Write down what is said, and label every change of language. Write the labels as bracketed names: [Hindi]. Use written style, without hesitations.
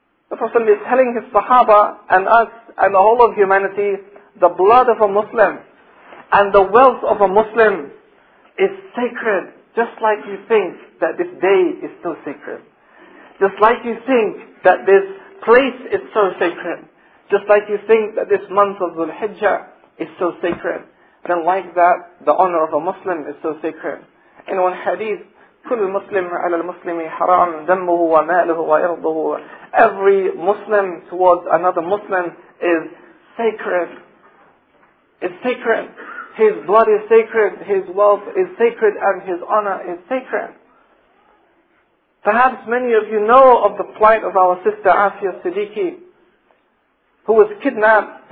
[English] The Prophet is telling his Sahaba and us and the whole of humanity, the blood of a Muslim and the wealth of a Muslim is sacred, just like you think that this day is so sacred. Just like you think that this place is so sacred. Just like you think that this month of Dhul-Hijjah is so sacred. Then like that, the honor of a Muslim is so sacred. in one hadith, [Arabic] كل مسلم على المسلم حرام دمه وماله وعرضه. [English] Every Muslim towards another Muslim is sacred. It's sacred. His blood is sacred, his wealth is sacred, and his honor is sacred. Perhaps many of you know of the plight of our sister Afia Siddiqui, who was kidnapped.